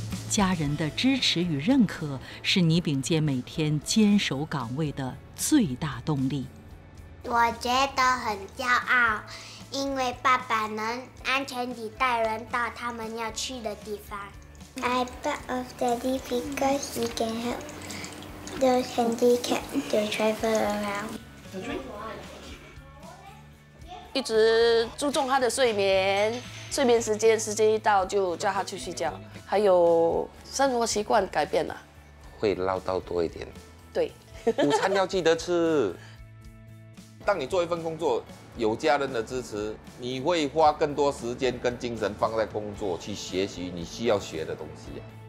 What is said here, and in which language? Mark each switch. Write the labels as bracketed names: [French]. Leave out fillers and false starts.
[Chinese] 家人的支持与认可是倪炳健每天坚守岗位的最大动力。我觉得很骄傲，因为爸爸能安全地带人到他们要去的地方。 [English] I love daddy because he can help those handicapped to travel around. [Chinese] 一直注重他的睡眠，睡眠时间，时间一到就叫他去睡觉。还有生活习惯改变了，会唠叨多一点。对，午餐要记得吃。当你做一份工作，有家人的支持，你会花更多时间跟精神放在工作，去学习你需要学的东西。